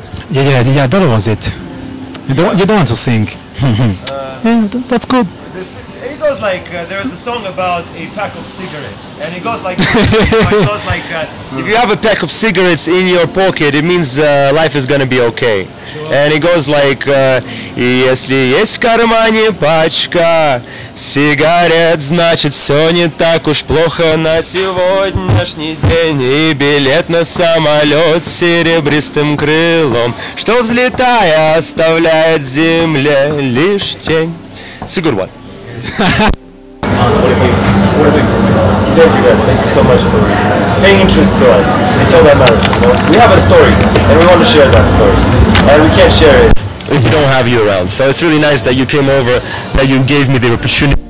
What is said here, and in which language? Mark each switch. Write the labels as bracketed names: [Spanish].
[English] Yeah, that was it. You don't want to sing. that's good. This, it goes like there is a song about a pack of cigarettes, and it goes like if you have a pack of cigarettes in your pocket, it means life is gonna be okay. Sure. And it goes like, [Russian] если есть в кармане пачка сигарет, значит все не так уж плохо на сегодняшний день. И билет на самолет с серебристым крылом, что взлетая оставляет земле лишь тень. [English] It's a good one. Thank you guys, thank you so much for paying interest to us. It's all that matters. You know? We have a story and we want to share that story. And we can't share it if we don't have you around. So it's really nice that you came over, that you gave me the opportunity.